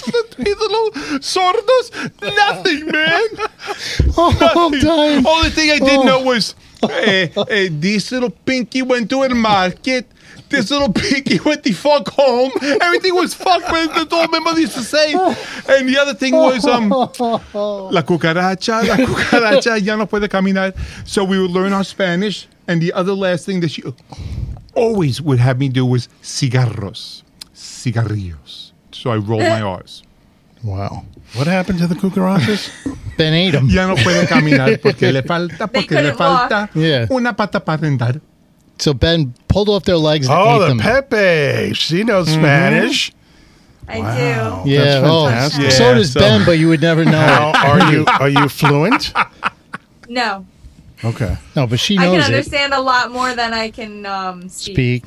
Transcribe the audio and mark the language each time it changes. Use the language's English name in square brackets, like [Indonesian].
[English] The three little sordos? Nothing, man. Oh, nothing. I'm dying. Only thing I didn't know was. This little pinky went to a market. This little pinky went the fuck home. Everything was fucked. That's all my mother used to say. And the other thing was, [Spanish] la cucaracha, ya no puede caminar. [English] So we would learn our Spanish. And the other last thing that she always would have me do was cigarrillos. So I roll my R's. Wow. What happened to the cucarachas? Ben ate them. [Spanish] Ya no puede caminar porque le falta, una pata para andar. [English] So Ben pulled off their legs and ate them. Oh, the Pepe. She knows Spanish. Mm-hmm. Wow. I do. Yeah, that's fantastic. Yeah, so does Ben, but you would never know. Are you fluent? No. Okay. No, but she knows I can understand it. A lot more than I can speak.